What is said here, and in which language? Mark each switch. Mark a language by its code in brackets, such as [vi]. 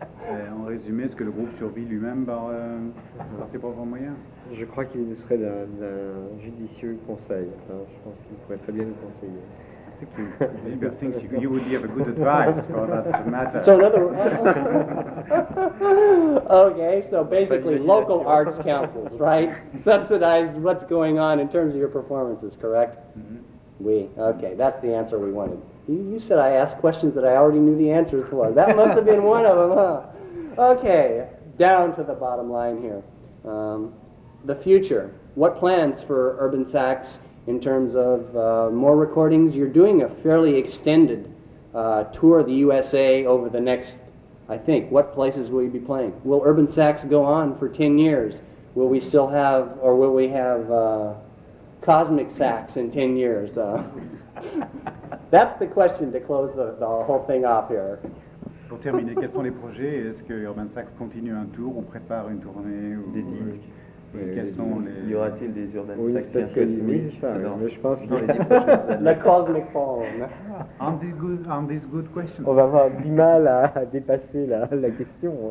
[fr] En résumé, est-ce que le groupe survit lui-même par ses propres moyens? Je crois qu'il serait d'un judicieux conseil. Enfin, je pense qu'il pourrait très bien nous conseiller. [en] Maybe I think you would give a good advice for that matter. So another. Okay, so basically local arts councils, right? Subsidize what's going on in terms of your performances, correct? [fr] Oui. [en] Mm-hmm. Okay, that's the answer we wanted. You said I asked questions that I already knew the answers for. That must have been one of them, huh? Okay, down to the bottom line here. The future. What plans for Urban Sax in terms of more recordings? You're doing a fairly extended tour of the USA over the next, I think. What places will you be playing? Will Urban Sax go on for 10 years? Will we still have, or will we have Cosmic Sax in 10 years? That's the question to close the whole thing off here. [fr] Pour terminer, quels sont les projets? Est-ce que Urban Sax continue un tour ou prépare une tournée? Des disques. Quels sont les... Y aura-t-il des Urban Sax cosmiques? Mais je pense que... [en] The Cosmic Phone. On this good question. [fr] On va avoir du mal à dépasser la question.